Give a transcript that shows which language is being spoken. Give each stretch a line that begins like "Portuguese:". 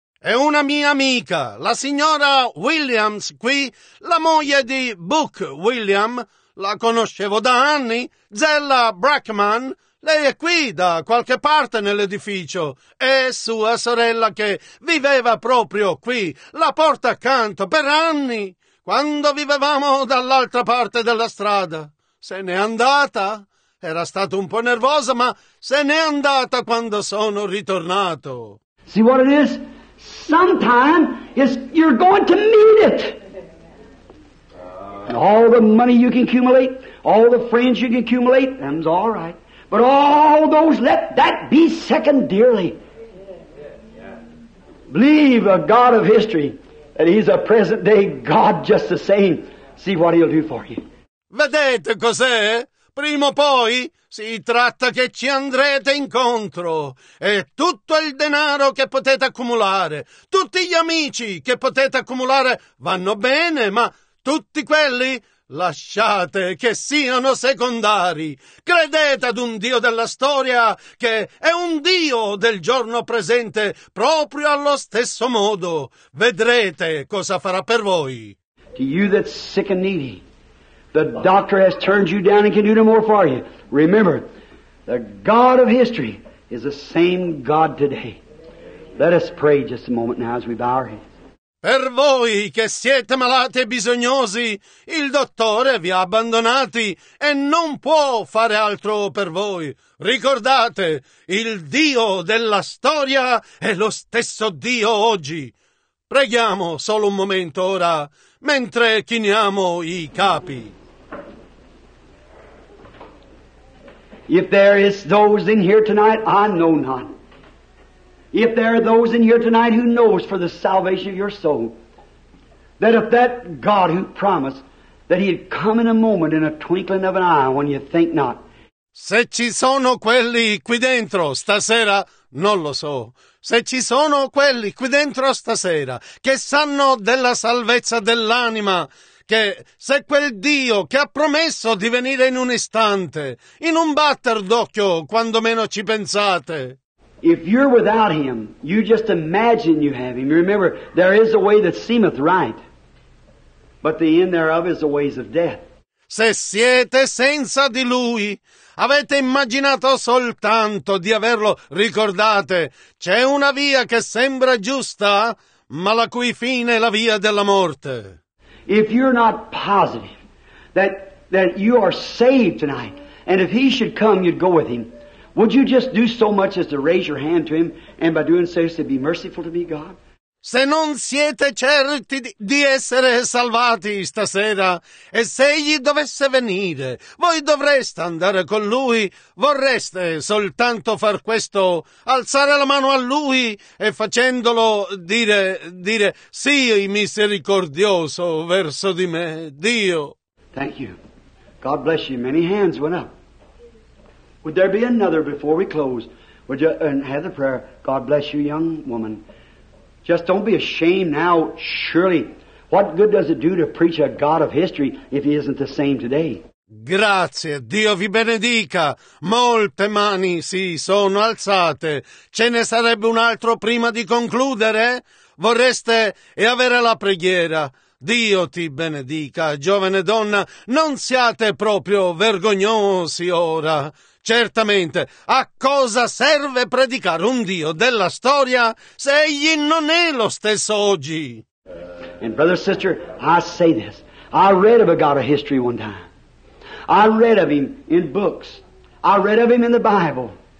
Italian: È una mia amica, la signora Williams qui, la moglie di Buck William, la conoscevo da anni, Zella Brackman, lei è qui da qualche parte nell'edificio, è sua sorella che viveva proprio qui, la porta accanto, per anni, quando vivevamo dall'altra parte della strada. Se n'è andata, era stata un po' nervosa, ma se n'è andata quando sono ritornato.
English: See what it is? Sometime is you're going to meet it. And all the money you can accumulate, all the friends you can accumulate, them's all right. But all those, let that be secondarily. Believe a God of history that He's a present day God just the same. See what He'll do for you.
Italian: Vedete cos'è? Prima o poi si tratta che ci andrete incontro e tutto il denaro che potete accumulare, tutti gli amici che potete accumulare vanno bene, ma tutti quelli lasciate che siano secondari. Credete ad un Dio della storia che è un Dio del giorno presente proprio allo stesso modo. Vedrete cosa farà per voi.
English: To you that's sick and needy. The doctor has turned you down and can do no more for you. Remember, the God of history is the same God today. Let us pray just a moment now as we bow our heads.
Italian: Per voi che siete malati e bisognosi, il dottore vi ha abbandonati e non può fare altro per voi. Ricordate, il Dio della storia è lo stesso Dio oggi. Preghiamo solo un momento ora, mentre chiniamo i capi.
English: If there is those in here tonight, I know not. If there are those in here tonight who knows for the salvation of your soul, that if that God who promised that He'd come in a moment, in a twinkling of an eye, when you think not.
Italian: Se ci sono quelli qui dentro stasera, non lo so. Se ci sono quelli qui dentro stasera che sanno della salvezza dell'anima, che se quel Dio che ha promesso di venire in un istante, in un batter d'occhio, quando meno ci pensate.
English: If you're without Him, you just imagine you have Him. Remember, there is a way that seemeth right, but the end thereof is the ways of death.
Italian: Se siete senza di Lui, avete immaginato soltanto di averlo, ricordate, c'è una via che sembra giusta, ma la cui fine è la via della morte.
English: If you're not positive that you are saved tonight, and if He should come, you'd go with Him, Would you just do so much as to raise your hand to him and by doing so say, be merciful to me, God?
Italian: Se non siete certi di essere salvati stasera, e se egli dovesse venire, voi dovreste andare con lui, vorreste soltanto far questo, alzare la mano a lui e facendolo dire sì, misericordioso verso di me, Dio.
English: Thank you. God bless you. Many hands went up. Would there be another before we close? Would you have the prayer? God bless you, young woman. Just don't be ashamed now, surely. What good does it do to preach a God of history if he isn't the same today?
Italian: Grazie, Dio vi benedica. Molte mani si sono alzate. Ce ne sarebbe un altro prima di concludere? Vorreste e avere la preghiera? Dio ti benedica, giovane donna. Non siate proprio vergognosi ora. Certamente, a cosa serve predicare un Dio della storia se egli non è lo stesso oggi?
English: And brother, sister, I say this. I read of a God of history one time. I read of him in books. I read of him in the Bible.